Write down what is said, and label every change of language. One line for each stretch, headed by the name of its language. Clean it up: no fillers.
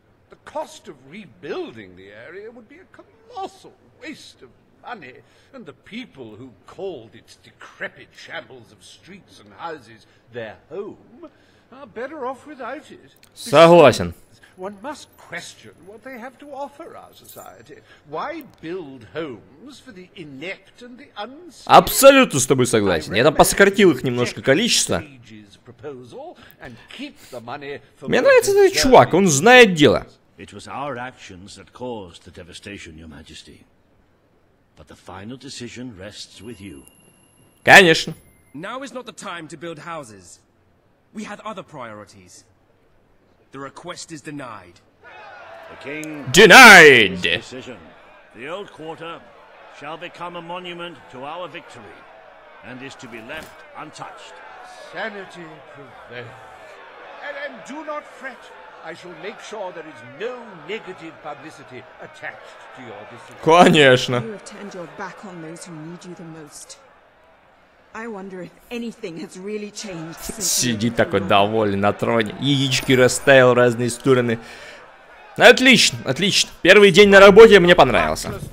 English: The cost of rebuilding the area would be a colossal waste of money, and the people who called its decrepit shambles of streets and houses their home are better off without it.
Russian: Согласен.
English: One must question what they have to offer our society. Why build homes for the inept and the unskilled?
Russian: Абсолютно с тобой согласен. Я там посократил их немножко количество. Мне нравится этот чувак, он знает дело.
English: It was our actions that caused the devastation, Your Majesty. But the final decision rests with you.
Russian: Конечно.
English: Now is not the time to build houses. We have other priorities. The request is denied. The king denied his decision. The old quarter shall become a monument to our victory and is to be left untouched. Sanity prevails. And do not fret. I shall make sure there is no negative publicity attached to your decision.
Russian: Конечно.
English: You have turned your back on those who need you the most. I wonder if anything has really changed since.
Russian: Сидит такой довольный на троне. Яички расставил в разные стороны. Отлично, отлично. Первый день на работе мне понравился.